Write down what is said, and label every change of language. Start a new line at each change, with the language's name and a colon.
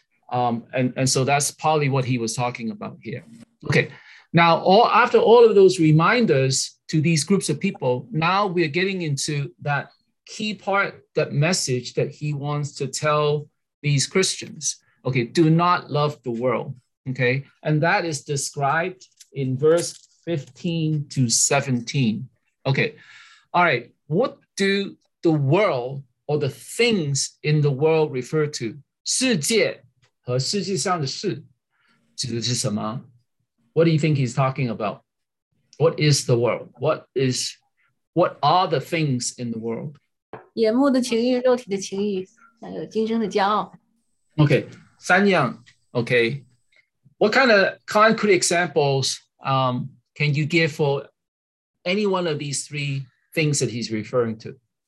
English: And so that's probably what he was talking about here. Okay, now after all of those reminders to these groups of people, now we're getting into that key part, that message that he wants to tell these Christians. Okay, do not love the world, okay? And that is described in verse 15 to 17. Okay. All right. What do the world or the things in the world refer to?
Chinese: 世界和世界上的事指的是什么?
English: What do you think he's talking about? What is the world? What are the things in the world?
Chinese: 眼目的情欲,肉体的情欲,精神的骄傲。
English: Okay. 三样.Okay. What kind of concrete examples can you give for any one of these three things that he's referring to?